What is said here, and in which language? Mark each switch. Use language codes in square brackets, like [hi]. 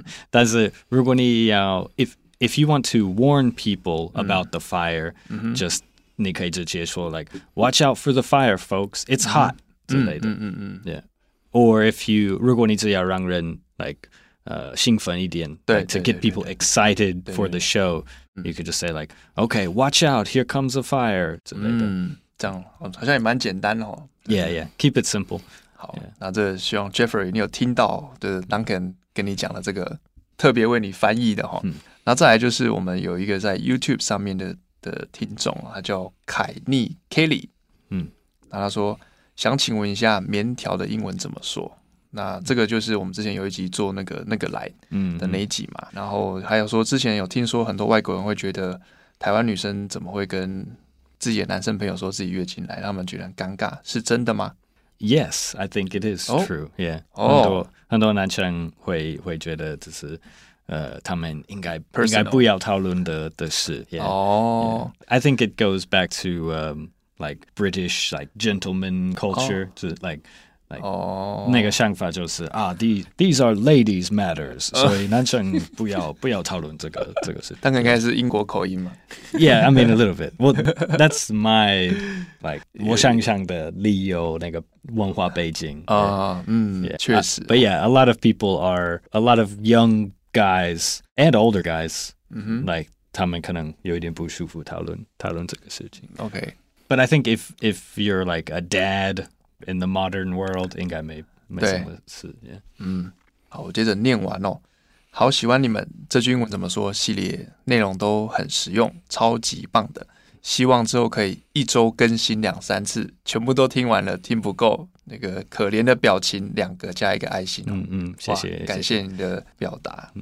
[zh] 但是如果你要 [en] if you want to warn people about the fire, just [zh] 你可以直接说 [en] like watch out for the fire, folks. It's hot [zh] 之类的。 [en] Or if you [zh] 如果你只要让人 like 兴奋一点，对 [en] like, ，to get people excited for the show, you could just say like, okay, watch out, here comes a fire [zh] 之类的。这样好像也蛮简单的 [en] 哦。Yeah, keep it simple. [zh] 好， yeah. 那这希望 Jeffrey 你有听到的 Duncan 跟你讲的这个特别为你翻译的哦。那再来就是我们有一个在 YouTube 上面 的听众，他叫凯妮 Kelly。那他说想请问一下棉条的英文怎么说？那这个就是我们之前有一集做那个来的那一集嘛。然后还有说之前有听说很多外国人会觉得台湾女生怎么会跟自己的男生朋友说自己月经来，他们觉得很尴尬，是真的吗 [en] ？Yes, I think it is true. [zh] Yeah, 很多男生会觉得这是他们应该不要讨论的事。 [en] I think it goes back to like British like gentleman culture, like [zh] 那个想法就是啊 [en] ，these are ladies' matters， [zh] 所以男生不要讨论这个事。但应该是英国口音嘛 [en] ？Yeah, I mean a little bit. Well, that's my like [zh] 我想象的理由，那个文化背景啊， 确实。 [en] But yeah, a lot of young guys and older guys, like [zh] 他们可能有一点不舒服讨论这个事情。 [en] Okay, but I think if you're like a dad. In the modern world, [zh] 应该没什么事。好，我接着念完哦。好喜欢你们这句英文怎么说系列内容都很实用，超级棒的。希望之后可以一周更新两三次，全部都听完了，听不够。那个可怜的表情，两个加一个爱心哦。谢谢，感谢你的表达。